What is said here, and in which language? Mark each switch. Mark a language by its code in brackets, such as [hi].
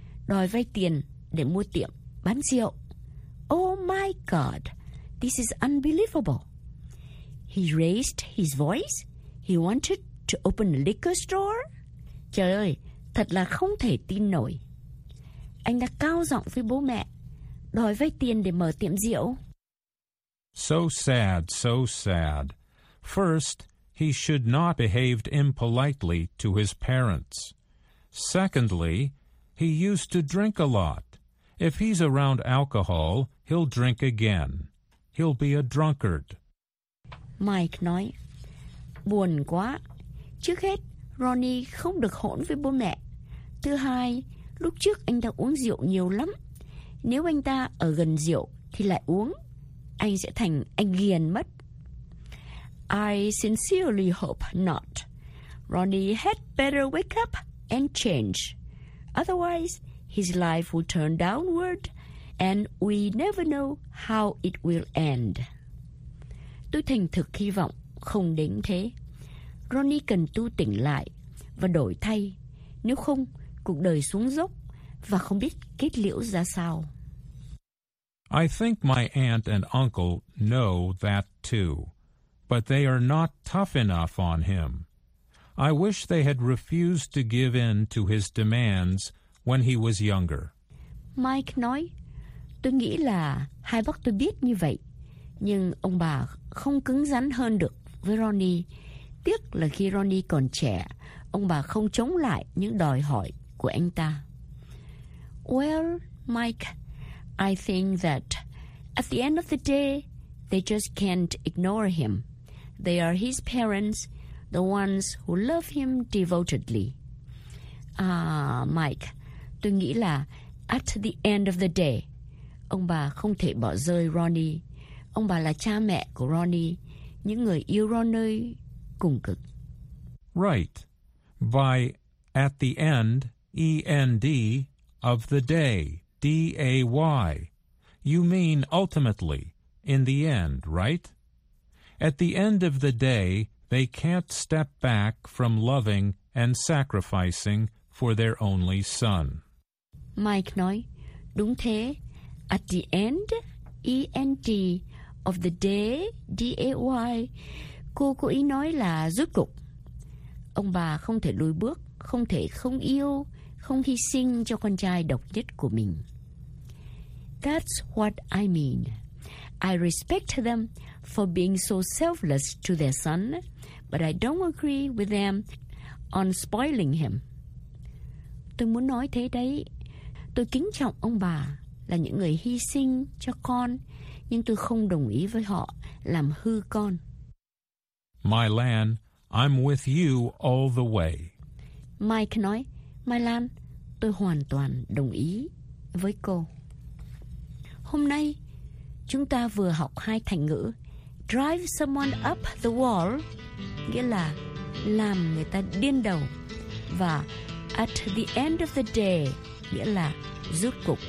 [vi] đòi vay tiền để mua tiệm bán rượu. [en] Oh my God, this is unbelievable. He raised his voice. He wanted to open a liquor store. [vi] Trời ơi, thật là không thể tin nổi. Anh đã cao giọng với bố mẹ, đòi vay tiền để mở tiệm rượu. [en] So sad, so sad. First, he should not behave impolitely to his parents. Secondly, he used to drink a lot. If he's around alcohol, he'll drink again. He'll be a drunkard. [vi] Mike nói, buồn quá. Trước hết, Ronnie không được hỗn với bố mẹ. Thứ hai, lúc trước anh ta uống rượu nhiều lắm. Nếu anh ta ở gần rượu thì lại uống, anh sẽ thành anh ghiền mất. [en] I sincerely hope not. Ronnie had better wake up and change. Otherwise, his life will turn downward, and we never know how it will end. [vi] Tôi thành thực hy vọng không đến thế. Ronnie cần tu tỉnh lại và đổi thay. Nếu không, cuộc đời xuống dốc và không biết kết liễu ra sao. [en] I think my aunt and uncle know that too, but they are not tough enough on him. I wish they had refused to give in to his demands when he was younger. [vi] Mike nói, tôi nghĩ là hai bác tôi biết như vậy, nhưng ông bà không cứng rắn hơn được với Ronnie. Tiếc là khi Ronnie còn trẻ, ông bà không chống lại những đòi hỏi của anh ta. [en] Well, Mike, I think that at the end of the day, they just can't ignore him. They are his parents, the ones who love him devotedly. [vi] Mike, tôi nghĩ là [en] at the end of the day, [vi] ông bà không thể bỏ rơi Ronnie. Ông bà là cha mẹ của Ronnie, những người yêu Ronnie cùng cực. [en] Right. By at the end, E-N-D, of the day, D-A-Y. You mean ultimately, in the end, right? At the end of the day, they can't step back from loving and sacrificing for their only son. [vi] Mike nói, đúng thế. [en] At the end, E-N-D, of the day, D-A-Y. [vi] Cô có ý nói là rốt cục. Ông bà không thể lùi bước, không thể không yêu, không hy sinh cho con trai độc nhất của mình. [en] That's what I mean. I respect them for being so selfless to their son, but I don't agree with them on spoiling him. [vi] Tôi muốn nói thế đấy. Tôi kính trọng ông bà là những người hy sinh cho con, nhưng tôi không đồng ý với họ làm hư con. [en] My Lan, I'm with you all the way. [vi] Mike nói, My Lan, tôi hoàn toàn đồng ý với cô. Hôm nay, chúng ta vừa học hai thành ngữ [en] Drive someone up the wall, [vi] nghĩa là làm người ta điên đầu, và [en] At the end of the day, [vi] nghĩa là rốt cục.